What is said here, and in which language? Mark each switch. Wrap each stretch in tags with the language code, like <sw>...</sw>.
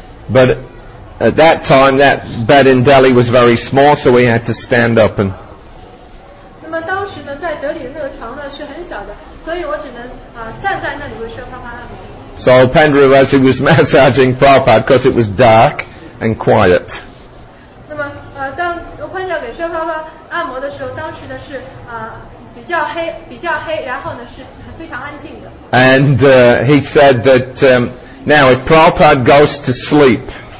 <en>But at that time, that bed in Delhi was very small, so we had to stand up and...</en> <zh>那么当时呢，在德里那个床呢是很小的，所以我只能站在那里为释迦帕帕按摩。</zh> <en>So Upendra, as he was massaging Prabhupada, because it was dark and quiet.</en> <zh>那么当Upendra给释迦帕帕按摩的时候，当时呢是比较黑，然后呢是非常安静的。</zh> <en>And he said that now if Prabhupada goes to sleep...</en>